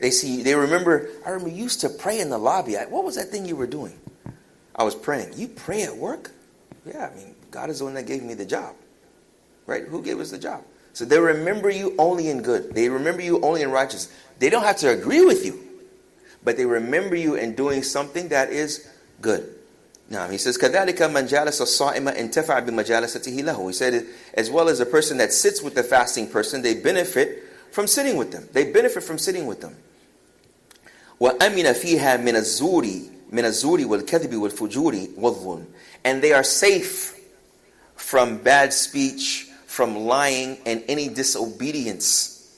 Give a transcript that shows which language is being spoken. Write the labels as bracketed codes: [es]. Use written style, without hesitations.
[en] They see, they remember, I remember you used to pray in the lobby. What was that thing you were doing? I was praying. You pray at work? Yeah, I mean, God is the one that gave me the job. Right? Who gave us the job? So they remember you only in good. They remember you only in righteous. They don't have to agree with you. But they remember you in doing something that is good. Now he says, [ar] كَذَلِكَ مَنْ جَالَسَ الصَّائِمَ انْتَفَعَ بِمَجَالَسَتِهِ لَهُ. [en] He said, as well as a person that sits with the fasting person, they benefit from sitting with them. They benefit from sitting with them. [ar] وَأَمِنَ فِيهَا مِنَ الزُّورِ وَالْكَذِبِ وَالْفُجُورِ وَالظُّلْمِ. [en] And they are safe from bad speech, from lying, and any disobedience.